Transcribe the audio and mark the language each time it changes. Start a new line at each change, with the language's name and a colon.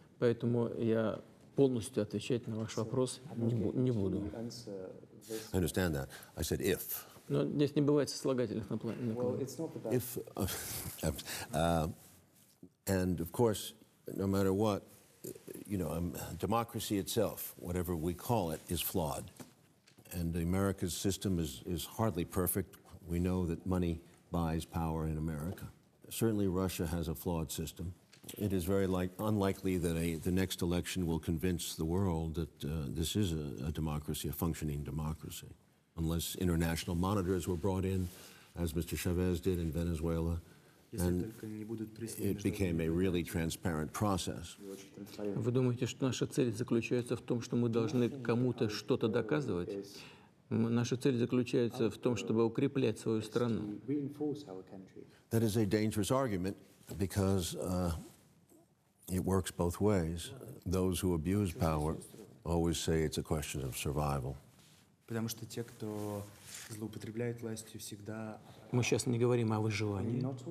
Russian: Поэтому я полностью отвечать на ваш вопрос не буду.
English: I understand that. I said if.
Russian: Но здесь не бывает сослагательных на плане.
English: Well, it's not about if. And of course, no matter what, you know, democracy itself, whatever we call it, is flawed. And America's system is hardly perfect. We know that money buys power in America. Certainly, Russia has a flawed system. It is very unlikely that the next election will convince the world that this is a democracy, a functioning democracy, unless international monitors were brought in, as Mr. Chavez did in Venezuela, and it became a really transparent process.
Russian: Вы думаете, что наша цель заключается в том, что мы должны кому-то что-то доказывать? Наша цель заключается в том, чтобы укреплять свою страну.
English: That is a dangerous argument, because it works both ways. Those who abuse power always say it's a question of survival.
Russian: Потому что те, кто злоупотребляет властью, всегда... Мы сейчас не говорим о выживании.